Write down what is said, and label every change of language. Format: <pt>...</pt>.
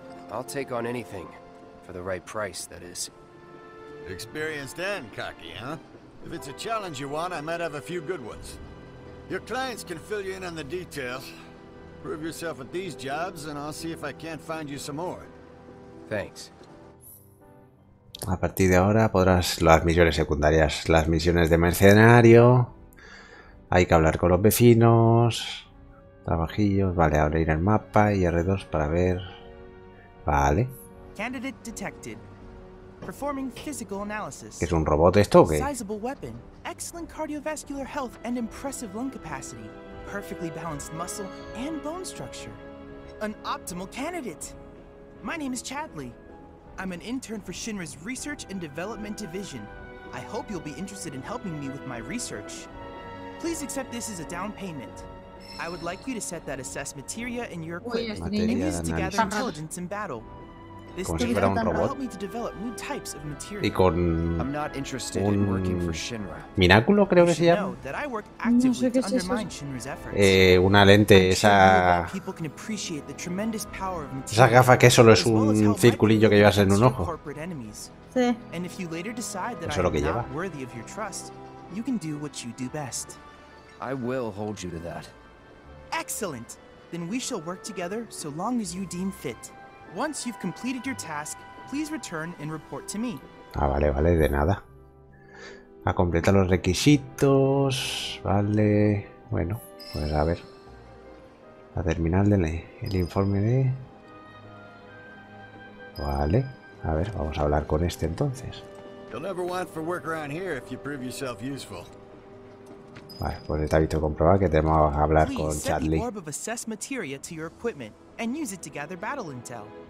<en>I'll take on anything. For the right price, that is. Experienced and cocky, huh? If it's a challenge you want, I might have a few good ones. Your clients can fill you in on the details. Prove yourself at these jobs and I'll see if I can't find you some more. Thanks.</en> <es>A partir de ahora podrás las misiones secundarias, las misiones de mercenario. Hay que hablar con los vecinos. Trabajillos, vale, abrir el mapa y R2 para ver. Vale.</es> <en>Candidate detected. performing physical analysis.</en> <es>¿Es un robot esto o qué?</es> <en>Sizable weapon, excellent cardiovascular health and impressive lung capacity, perfectly balanced muscle and bone structure. An optimal candidate. My name is Chadley. I'm an intern for Shinra's Research and Development Division. I hope you'll be interested in helping me with my research. Please accept this as a down payment. I would like you to set that assess materia in your equipment. Use to gather intelligence in battle. This data will help me to develop new types of materia. I'm not interested in working for Shinra.</en> <es>Mináculo, creo que se llama. No sé qué es eso. Una lente, esa.</es> <en>People can appreciate the tremendous power of materia.</en> <es>Esa gafa que solo es un circulillo que llevas en un ojo. Sí.</es> <en>And if you later decide that I'm not worthy of your trust, you can do what you do best. I will hold you to that. Excellent. Then we shall work together so long as you deem fit. Once you've completed your task, please return and report to me.</en> <es>Ah, vale, vale, de nada. A completar los requisitos, vale. Bueno, pues a ver. A terminar el informe de. Vale. A ver, vamos a hablar con este entonces.</es> <en>You'll never want for work around here if you prove yourself useful.</en> <es>Vale, pues está visto comprobar que tenemos que hablar con Chadley.</es> <en>Orb of assess materia to your equipment and use it to gather battle intel.</en>